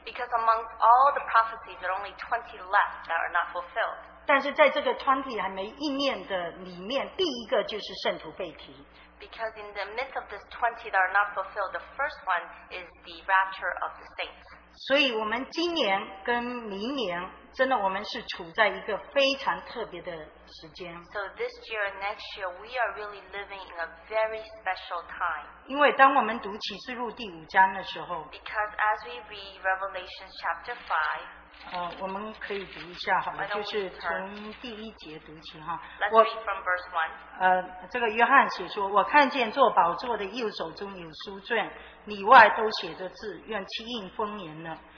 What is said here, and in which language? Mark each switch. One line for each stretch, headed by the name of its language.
English: Because amongst all the prophecies, there are only 20 left that are not fulfilled.
Chinese: 但是在这个 20 还没应验的里面，第一个就是圣徒被提。
English: Because in the midst of this 20 that are not fulfilled, the first one is the rapture of the saints.
Chinese: 所以我们今年跟明年。真的我们是处在一个非常特别的时间。
English: So this year and next year, we are really living in a very special time.
Chinese: 因为当我们读启示录第五章的时候，
English: Because as we read Revelation chapter 5,
Chinese: 我们可以读一下好吗，就是从第一节读起哈。
English: Let's read from verse 1.
Chinese: 这个约翰写说，我看见坐宝座的右手中有书卷，里外都写着字，愿七印封严了。